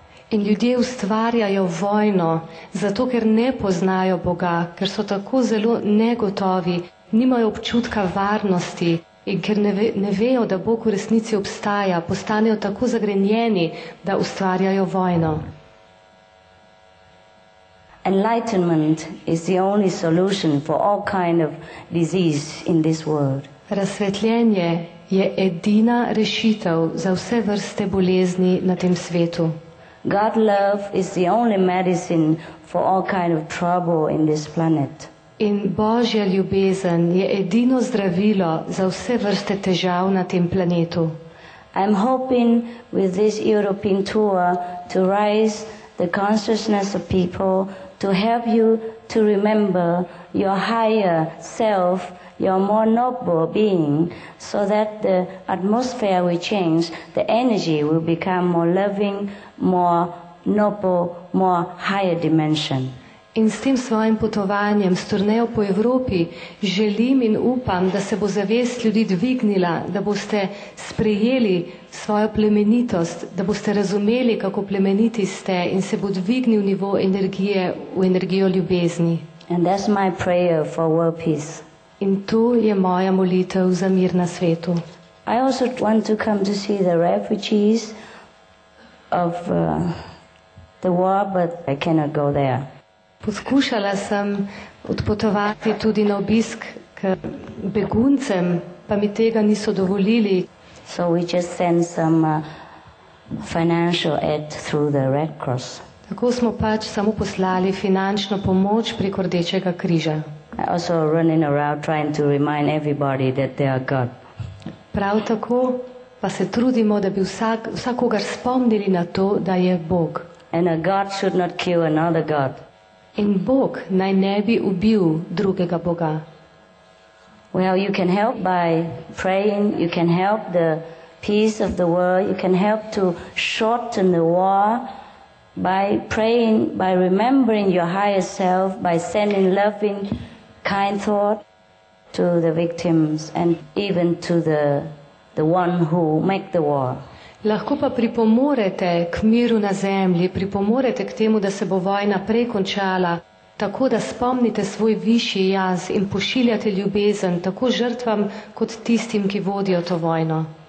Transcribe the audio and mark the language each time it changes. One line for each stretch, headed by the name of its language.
Slovenian: In ljudje ustvarjajo vojno, zato ker ne poznajo Boga, ker so tako zelo negotovi, nimajo občutka varnosti in ker ne vejo, da Bog v resnici obstaja, postanejo tako zagrenjeni, da ustvarjajo vojno.
English: Enlightenment is the only solution for all kind of disease in this world.
Slovenian: Razsvetljenje je edina rešitev za vse vrste bolezni na tem svetu.
English: God love is the only medicine for all kind of trouble in this planet.
Slovenian: In Božja ljubezen je edino zdravilo za vse vrste težav na tem planetu.
English: I'm hoping with this European tour to raise the consciousness of people to help you to remember your higher self, your more noble being, so that the atmosphere will change, the energy will become more loving, more noble, more higher dimension.
Slovenian: In s tem svojim potovanjem, s turnejo po Evropi, želim in upam, da se bo zavest ljudi dvignila, da boste sprejeli svojo plemenitost, da boste razumeli, kako plemeniti ste in se bo dvignil nivo energije v energijo ljubezni.
English: And that's my prayer for world peace.
Slovenian: In to je moja molitev za mir na svetu.
English: I also want to come to see the refugees of the war, but I cannot go there.
Slovenian: Poskušala sem odpotovati tudi na obisk k beguncem, pa mi tega niso dovolili.
English: So we just send some financial aid through the Red Cross.
Slovenian: Tako smo pač samo poslali finančno pomoč preko Rdečega križa.
English: I also running around trying to remind everybody that they are God.
Slovenian: Prav tako pa se trudimo, da bi vsakogar spomnili na to, da je Bog.
English: And a God should not kill another God.
Slovenian: In Bog naj ne bi ubil drugega Boga.
English: Well, you can help by praying, you can help the peace of the world, you can help to shorten the war by praying, by remembering your higher self, by sending loving, kind thought to the victims and even to the one who make the war.
Slovenian: Lahko pa pripomorete k miru na zemlji, pripomorete k temu, da se bo vojna prej končala, tako da spomnite svoj višji jaz in pošiljate ljubezen tako žrtvam kot tistim, ki vodijo to vojno.